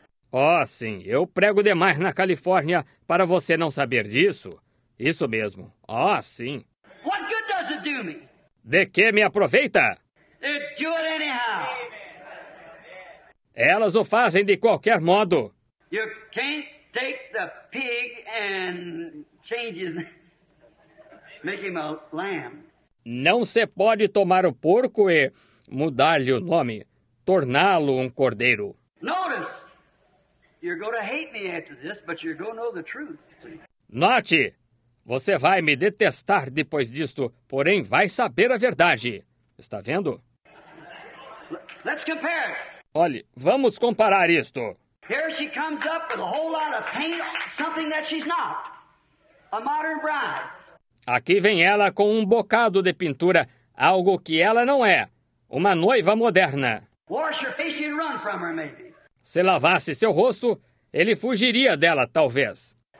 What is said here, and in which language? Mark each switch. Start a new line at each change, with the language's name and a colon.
Portuguese: Oh, sim, eu prego demais na Califórnia para você não saber disso. Isso mesmo. Oh, sim.
English: What good does it do me?
Portuguese: De que me aproveita?
English: It's good anyhow.
Portuguese: Elas o fazem de qualquer modo.
English: You can't take the pig and change his name. Make him a lamb.
Portuguese: Não se pode tomar o porco e mudar-lhe o nome, torná-lo um cordeiro.
English: Notice. You're going to hate me after this, but you're going to know the truth.
Portuguese: Note, você vai me detestar depois disto, porém vai saber a verdade. Está vendo?
English: Let's compare.
Portuguese: Olhe, vamos comparar isto.
English: Here she comes up with a whole lot of paint, something that she's not. A modern bride.
Portuguese: Aqui vem ela com um bocado de pintura, algo que ela não é. Uma noiva moderna.
English: Wash her face and run from her, maybe.
Portuguese: Se lavasse seu rosto, ele fugiria dela, talvez.